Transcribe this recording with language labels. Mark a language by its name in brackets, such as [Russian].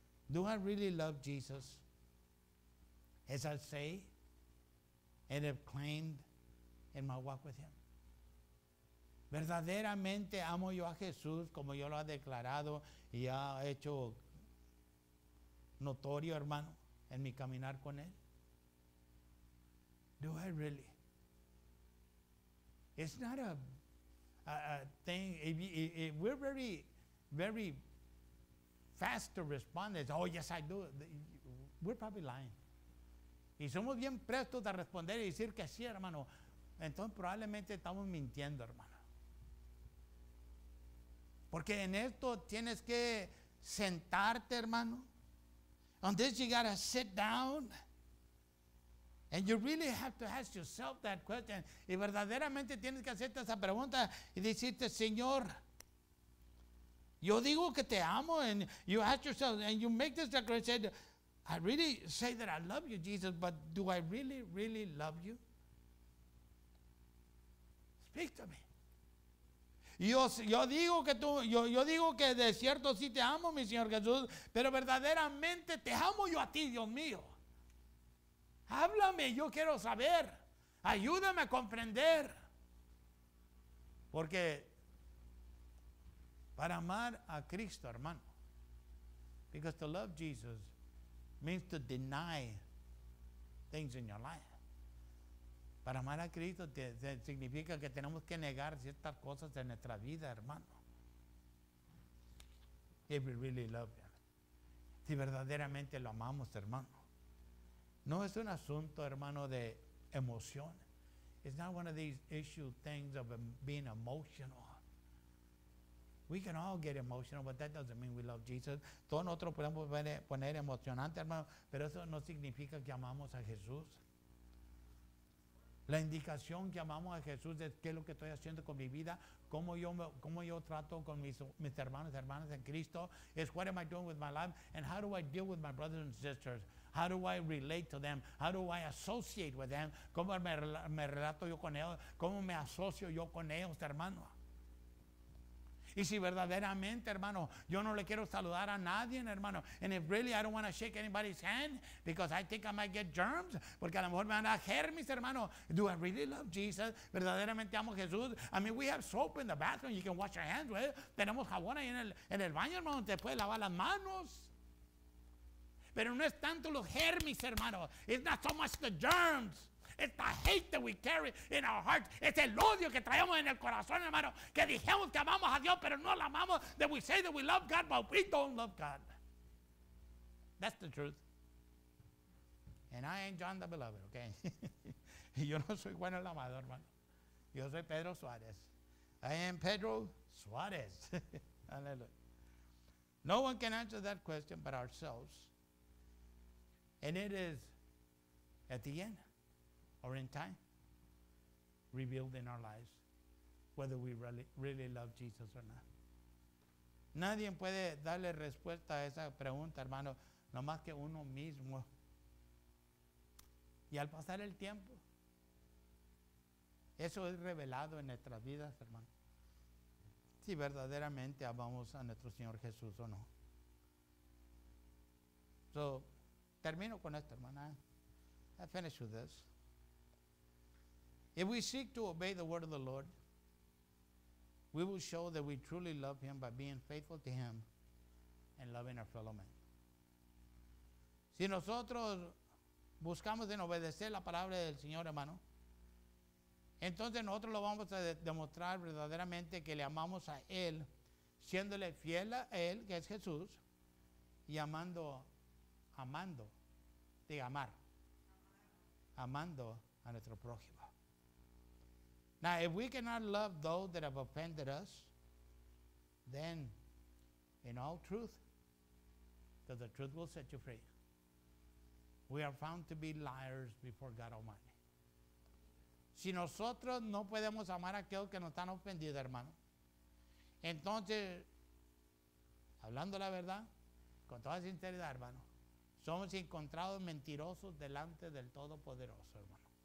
[English] Do I really love Jesus as I say and have claimed in my walk with him? [Spanish] ¿Verdaderamente amo yo a Jesús como yo lo ha declarado y ha hecho notorio, hermano, en mi caminar con él? [English] Do I really? It's not a thing. If we're very, very fast to respond, it's, oh yes, I do. We're probably lying. [Spanish] Y somos bien prestos a responder y decir que sí, hermano. Entonces probablemente estamos mintiendo, hermano. Porque en esto tienes que sentarte, hermano. [English] On this, you gotta sit down. And you really have to ask yourself that question. [Spanish] Y verdaderamente tienes que hacerte esa pregunta y decirte, Señor, yo digo que te amo. [English] And you ask yourself, and you make this declaration, I really say that I love you, Jesus, but do I really, really love you? Speak to me. [Spanish] Yo digo que de cierto sí te amo, mi Señor Jesús, pero verdaderamente te amo yo a ti, Dios mío. Háblame, yo quiero saber. Ayúdame a comprender. Porque para amar a Cristo, hermano, [English] because to love Jesus means to deny things in your life. [Spanish] Para amar a Cristo significa que tenemos que negar ciertas cosas en nuestra vida, hermano. [English] If we really love him. [Spanish] Si verdaderamente lo amamos, hermano. No es un asunto, hermano, de emoción. [English] It's not one of these issue things of being emotional. We can all get emotional, but that doesn't mean we love Jesus. [Spanish] Todos nosotros podemos poner emocionante, hermano, pero eso no significa que amamos a Jesús. La indicación que amamos a Jesús es qué es lo que estoy haciendo con mi vida, cómo yo trato con mis hermanos y hermanas en Cristo, es [English] what am I doing with my life, and how do I deal with my brothers and sisters. How do I relate to them? How do I associate with them? [Spanish] ¿Cómo me relato yo con ellos? ¿Cómo me asocio yo con ellos, hermano? Y si verdaderamente, hermano, yo no le quiero saludar a nadie, hermano, [English] and if really I don't want to shake anybody's hand because I think I might get germs, [Spanish] porque a lo mejor me van a dar germes, hermano, [English] do I really love Jesus? [Spanish] ¿Verdaderamente amo a Jesús? [English] I mean, we have soap in the bathroom, you can wash your hands with. [Spanish] Tenemos jabón ahí en el baño, hermano, donde puedes lavar las manos. Pero no es tanto los germes, hermano. [English] It's not so much the germs. It's the hate that we carry in our hearts. [Spanish] Es el odio que traemos en el corazón, hermano. Que dijimos que amamos a Dios, pero no la amamos. [English] That we say that we love God, but we don't love God. That's the truth. And I ain't John the Beloved, okay? [Spanish] Y yo no soy Juan el Amador, hermano. Yo soy Pedro Suárez. [English] I am Pedro Suárez. Hallelujah. No one can answer that question but ourselves. And it is at the end or in time revealed in our lives whether we really love Jesus or not. [Spanish] Nadie puede darle respuesta a esa pregunta, hermano, no más que uno mismo. Y al pasar el tiempo, eso es revelado en nuestras vidas, hermano. Si verdaderamente amamos a nuestro Señor Jesús o no. [English] So, [Spanish] termino con esto, hermana. [English] I finish with this. If we seek to obey the word of the Lord, we will show that we truly love Him by being faithful to Him and loving our fellow men. [Spanish] Si nosotros buscamos en obedecer la palabra del Señor, hermano, entonces nosotros lo vamos a demostrar verdaderamente que le amamos a Él, siéndole fiel a Él, que es Jesús, y amando. De amar. Amando a nuestro prójimo. [English] Now, if we cannot love those that have offended us, then, in all truth, that the truth will set you free. We are found to be liars before God Almighty. [Spanish] Si nosotros no podemos amar a aquellos que nos están ofendidos, hermano, entonces, hablando la verdad, con toda sinceridad, hermano, somos encontrados mentirosos delante del Todopoderoso, hermano.